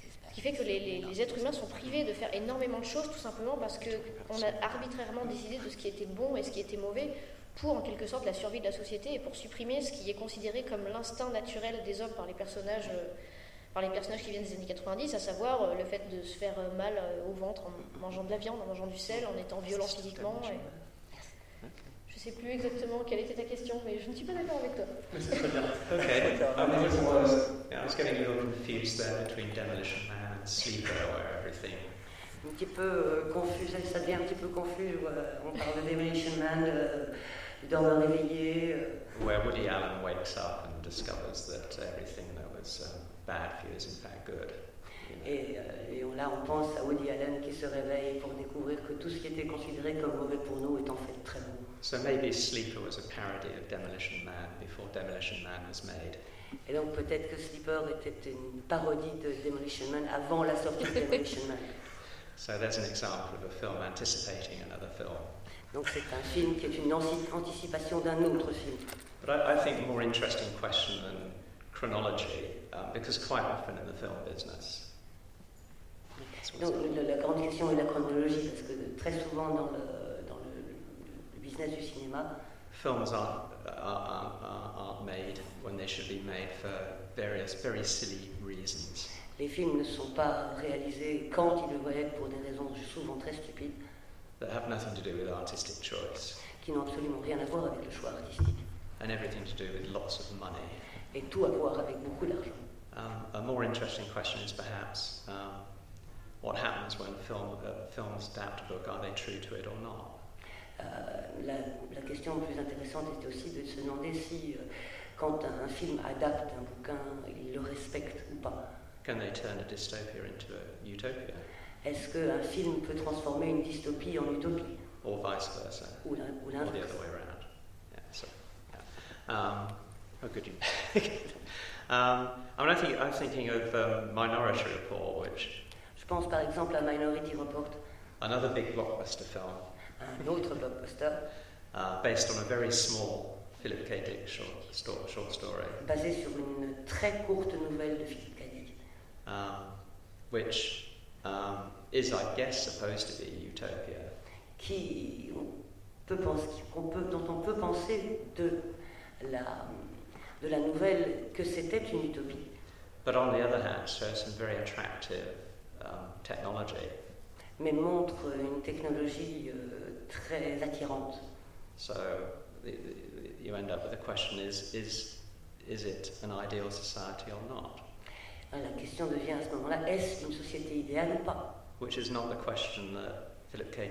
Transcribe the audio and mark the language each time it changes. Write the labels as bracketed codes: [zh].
[fr] Ce qui fait que les êtres humains sont privés de faire énormément de choses tout simplement parce que on a arbitrairement décidé de ce qui était bon et ce qui était mauvais pour en quelque sorte la survie de la société et pour supprimer ce qui est considéré comme l'instinct naturel des hommes par les personnages, qui viennent des années 90, à savoir le fait de se faire mal au ventre en mangeant de la viande, en mangeant du sel, en étant violent physiquement. Et... je ne sais plus exactement quelle était ta question, mais je ne suis pas d'accord avec toi. [en] I was getting a little confused there between Demolition Man and Sleeper or everything. [fr] Un petit peu confus, ça devient un petit peu confus. On parle de Demolition Man, d'homme réveillé. [en] Where Woody Allen wakes up and discovers that everything that was bad for you is in fact good. [fr] Et là, on pense à Woody Allen qui se réveille pour découvrir que tout ce qui était considéré comme mauvais pour nous est en fait très bon. [en] So maybe Sleeper was a parody of Demolition Man before Demolition Man was made. [fr] Et donc peut-être que Sleeper était une parodie de Demolition Man avant la sortie de Demolition Man. [en] So that's an example of a film anticipating another film. [fr] Donc c'est un film qui est une anticipation d'un autre film. [en] But I think a more interesting question than chronology, because quite often in the film business. [fr] Donc la grande question est la chronologie, parce que très souvent dans le business du cinéma. [en] Films aren't made when they should be made for various very silly reasons. [fr] Les films ne sont pas réalisés quand ils devraient être pour des raisons souvent très stupides. [en] That have nothing to do with artistic choice. [fr] Qui n'ont absolument rien à voir avec le choix artistique. [en] And everything to do with lots of money. [fr] Et tout à voir avec beaucoup d'argent. [en] A more interesting question is perhaps what happens when films adapt a book? Are they true to it or not? [fr] La question plus intéressante était aussi de se demander si, quand un film adapte un bouquin, il le respecte ou pas. [en] Can they turn a dystopia into a utopia? [fr] Est-ce qu'un film peut transformer une dystopie en utopie? [en] Or vice versa. [fr] Ou [en] l'inverse. Or the other way around. Yeah, sorry. Yeah. Oh, good. I'm thinking of Minority Report, which. [fr] Je pense par exemple à Minority Report. [en] Another big blockbuster film. [fr] Un autre blockbuster [en] based on a very small Philip K. Dick short story. [fr] Basé sur une très courte nouvelle de Philip K. Dick. [en] Which is, I guess, supposed to be utopia. [fr] Dont on peut penser de la nouvelle que c'était une utopie. [en] But on the other hand, shows some very attractive technology. [fr] Mais montre une technologie très attirante. [en] So you end up with the question is it an ideal society or not? [fr] La question devient à ce moment-là, est-ce une société idéale ou pas? [en] Which is not the question that Philip K.